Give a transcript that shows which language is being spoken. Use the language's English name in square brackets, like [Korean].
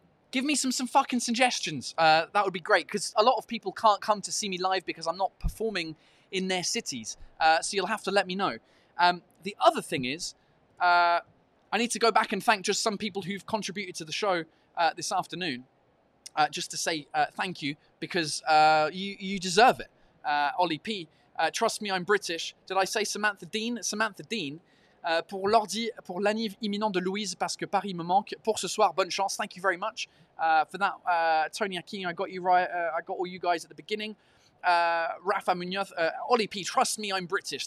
[English] Give me some fucking suggestions. That would be great, because a lot of people can't come to see me live because I'm not performing in their cities. So you'll have to let me know. The other thing is, I need to go back and thank just some people who've contributed to the show this afternoon. Just to say thank you, because you deserve it. Ollie P, trust me, I'm British. Did I say Samantha Dean? Samantha Dean. [French] Pour l'ordi, pour l'anniv imminent de Louise, parce que Paris me manque. Pour ce soir, bonne chance. [English] Thank you very much for that. Tony Akin, I got you right. I got all you guys at the beginning. Rafa Munoz, Ollie P, trust me, I'm British.